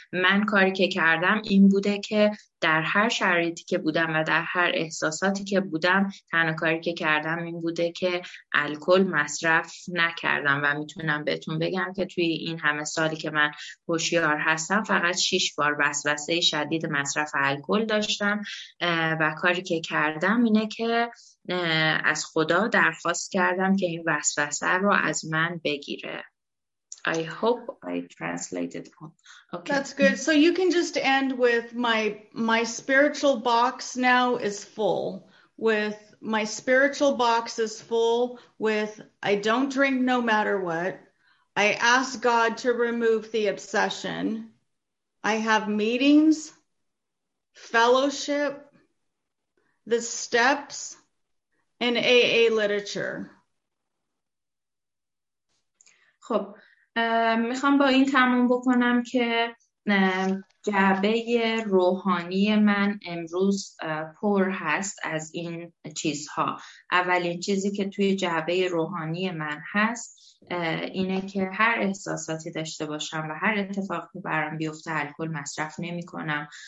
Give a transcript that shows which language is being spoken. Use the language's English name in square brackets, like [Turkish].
[Persian] من کاری که کردم این بوده که در هر شرایطی که بودم و در هر احساساتی که بودم، تنها کاری که کردم این بوده که الکل مصرف نکردم و میتونم بهتون بگم که توی این همه سالی که من هوشیار هستم فقط 6 بار وسوسه شدید مصرف الکل داشتم و کاری که کردم اینه که از خدا درخواست کردم که این وسوسه رو از من بگیره. [English] I hope I translated. Okay. That's good. So you can just end with my spiritual box now is full. With my spiritual box is full with I don't drink no matter what. I ask God to remove the obsession. I have meetings, fellowship, the steps, and AA literature. [Persian] خب میخوام با این تموم بکنم که جعبه روحانی من امروز پر هست از این چیزها. اولین چیزی که توی جعبه روحانی من هست اینه که هر احساساتی داشته باشم و هر اتفاقی برام بیفته الکل مصرف نمی کنم.